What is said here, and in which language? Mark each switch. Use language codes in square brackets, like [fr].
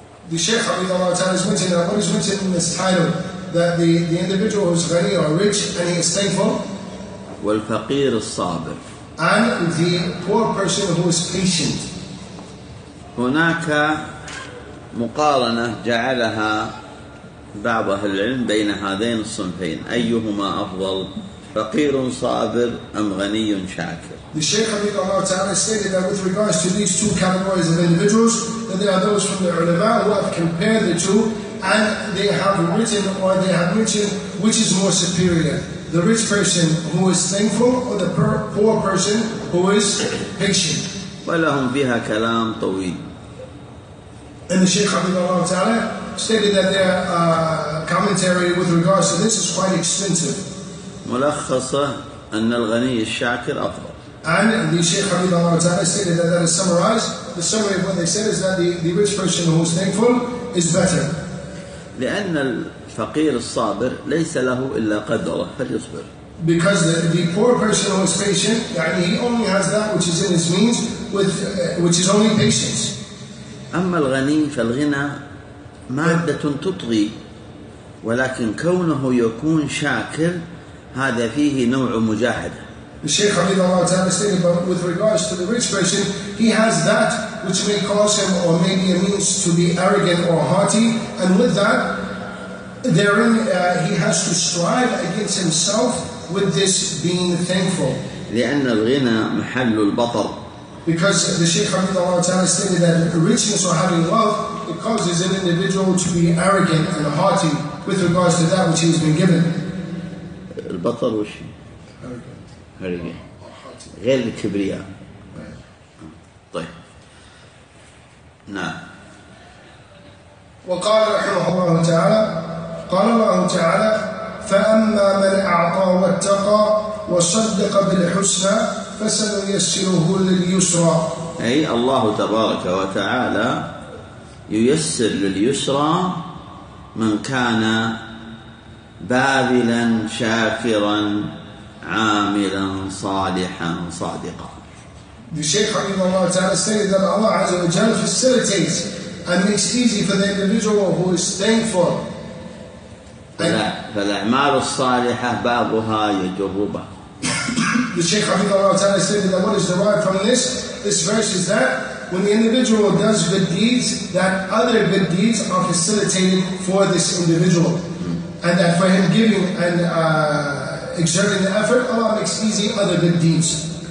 [en] The Shaykh Abdullah Ta'ala is mentioning that what is mentioned in this title that the individual who is ghani or rich and he is thankful. [ar] والفقير الصابر. [en] And the poor person who is patient. [ar] هناك مقارنة جعلها بعض أهل العلم بين هذين الصنفين أيهما أفضل فقير صابر أم غني شاكر. [en] The Shaykh Abdullah Ta'ala stated that with regards to these two categories of individuals that there are those from the ulama who have compared the two and they have written or they have mentioned which is more superior, the rich person who is thankful or the poor person who is patient. [ar] ولهم فيها كلام طويل. [en] And the Shaykh Abdullah Ta'ala stated that their commentary with regards to this is quite extensive. [ar] ملخصة أن الغني الشاكر أفضل. [en] And the Shaykh Habibullah Ta'ala stated that that is summarized. The summary of what they said is that the rich person who is thankful is better. [ar] لأن الفقير الصابر ليس له إلا قدره فليصبر. [en] Because the poor person who is patient, [ar] يعني [en] he only has that which is in his means, which is only patience. [ar] أما الغني فالغنى مادة تطغي ولكن كونه يكون شاكر هذا فيه نوع مجاهدة. [en] The Shaykh Habibullah Ta'ala stated, but with regards to the rich person, he has that which may cause him or may be a means to be arrogant or haughty, and with that, therein he has to strive against himself with this being thankful. [ar] لأن الغنى محل البطر. [en] Because the Shaykh Habibullah Ta'ala stated that richness or having wealth, it causes an individual to be arrogant and haughty with regards to that which he has been given. [ar] البطل وش؟ هرجة غير الكبرياء. طيب نعم. وقال رحمه الله تعالى قال الله تعالى فأما من أعطى واتقى وصدق بالحسنى فسنيسره لليسرى. أي الله تبارك وتعالى ييسر لليسرى من كان باذلا شاكرا عاملا صالحا صادقا. [en] The Shaykh Habibullah Ta'ala stated that Allah Azza wa Jalla facilitates and makes easy for the individual who is thankful. [ar] فالأعمال الصالحة بعضها يجر بعض. [en] The Shaykh Habibullah Ta'ala stated that what is derived from this verse is that when the individual does good deeds, that other good deeds are facilitated for this individual. And that for him giving and exerting the effort, Allah makes easy other good deeds.